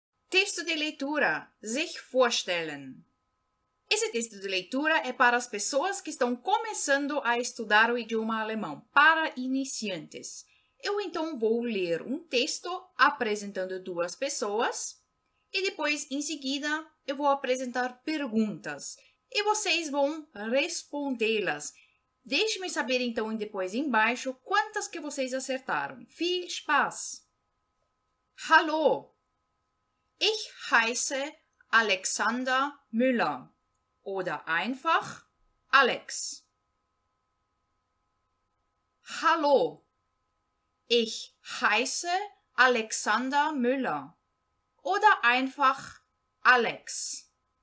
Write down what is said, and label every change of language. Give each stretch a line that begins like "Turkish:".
Portuguese: Texto de leitura,
German: sich vorstellen.
Portuguese: Esse texto de leitura é para as pessoas que estão começando a estudar o idioma alemão, para iniciantes. Eu então vou ler um texto apresentando duas pessoas e depois, em seguida, eu vou apresentar perguntas e vocês vão respondê-las. Deixe-me saber então depois embaixo quantas que vocês acertaram.
German: Viel Spaß! Hallo! Ich heiße Alexander Müller oder einfach Alex. Hallo. Ich heiße Alexander Müller oder einfach Alex.